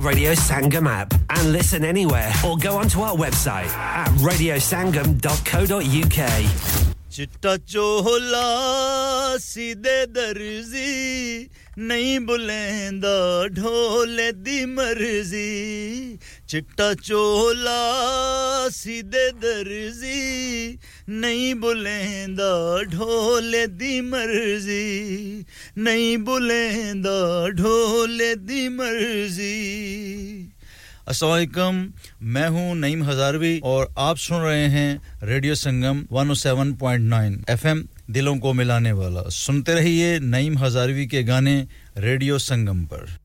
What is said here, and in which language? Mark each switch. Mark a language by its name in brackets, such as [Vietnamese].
[English] radio Sangam app and listen anywhere or go on to our website at radiosangam.co.uk [Punjabi] چټا چولا سیده درزی نہیں بلیندا ڈھولے دی مرضی چٹا چولا سیدھے درزی نہیں بلیندا ڈھولے دی مرضی نہیں بلیندا ڈھولے دی مرضی [Urdu] السلام علیکم میں ہوں نعیم ہزاروی اور آپ سن رہے ہیں ریڈیو سنگم 107.9 FM دلوں کو ملانے والا سنتے رہیے نعیم ہزاروی کے گانے ریڈیو سنگم پر